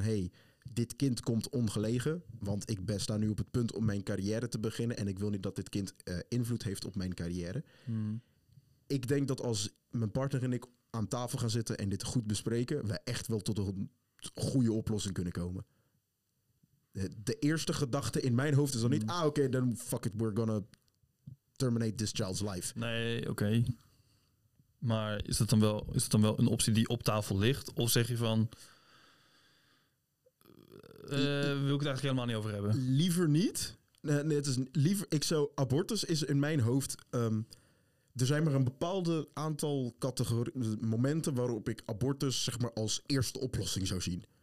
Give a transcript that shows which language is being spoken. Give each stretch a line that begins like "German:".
Dutch: hey, dit kind komt ongelegen, want ik ben sta nu op het punt om mijn carrière te beginnen... en ik wil niet dat dit kind invloed heeft op mijn carrière. Hmm. Ik denk dat als mijn partner en ik aan tafel gaan zitten en dit goed bespreken... we echt wel tot een goede oplossing kunnen komen. De eerste gedachte in mijn hoofd is dan niet...
English: Oké, then fuck it, we're gonna terminate this child's life.
Dutch: Nee, oké. Okay. Maar is dat dan wel een optie die op tafel ligt? Of zeg je van... wil ik het eigenlijk helemaal niet over hebben? Liever niet. Nee, het is liever. Abortus is in mijn hoofd. Er zijn maar een bepaalde aantal momenten waarop ik abortus, zeg maar, als eerste oplossing zou zien.